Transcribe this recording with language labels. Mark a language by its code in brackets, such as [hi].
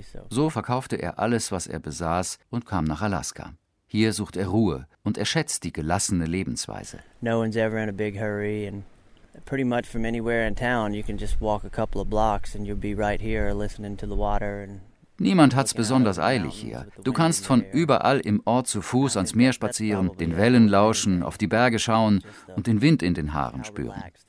[de] So verkaufte er alles, was er besaß, und kam nach Alaska. Hier sucht er Ruhe und er schätzt die gelassene Lebensweise. [en] No one's ever in a big hurry and pretty much from anywhere in town you can just walk a couple of blocks and you'll be right here listening to the water and. [de] Niemand hat's besonders eilig hier. Du kannst von überall im Ort zu Fuß ans Meer spazieren, den Wellen lauschen, auf die Berge schauen und den Wind in den Haaren spüren.